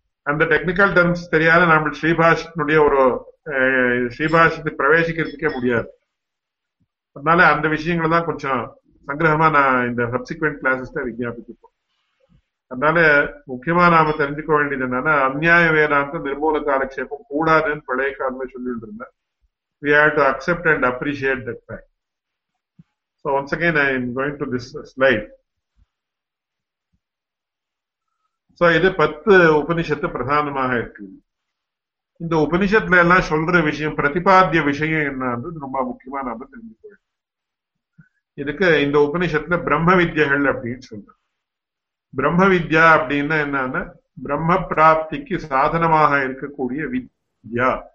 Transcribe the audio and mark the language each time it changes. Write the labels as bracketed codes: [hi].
[ta] அந்த technical terms தெரியாத நம்ம ஸ்ரீபாஷத்தினுடைய ஒரு ஸ்ரீபாஷத்துக்கு பிரவேசிக்கிறதுக்கே முடியாது. அதனால அந்த விஷயங்கள் தான் கொஞ்சம் சங்கிரகமா நான் இந்த சப்சிக்வெண்ட் கிளாஸஸ் தான் விஞ்ஞாபிச்சிருப்போம். அதனால முக்கியமா நாம தெரிஞ்சுக்க வேண்டியது என்னன்னா அந்நிய வேதாந்த நிர்மூல காலக்ஷேபம் கூடாதுன்னு பழைய காலமே சொல்லிட்டு இருந்தேன். [en] We have to accept and appreciate that fact. So once again, I am going to this slide. [ta] So இது 10 உபனிஷத்து பிரதானமாக இருக்கு. இந்த உபனிஷத்துல எல்லாம் சொல்ற விஷயம் பிரதிபாத்திய விஷயம் என்னன்றது ரொம்ப முக்கியமா நாம தெரிஞ்சுக்கணும். இதுக்கு இந்த உபனிஷத்துல பிரம்ம வித்யகள் அப்படின்னு சொல்றாங்க. பிரம்ம வித்யா அப்படின்னா என்னன்னா பிரம்ம பிராப்திக்கு சாதனமாக இருக்கக்கூடிய வித்யா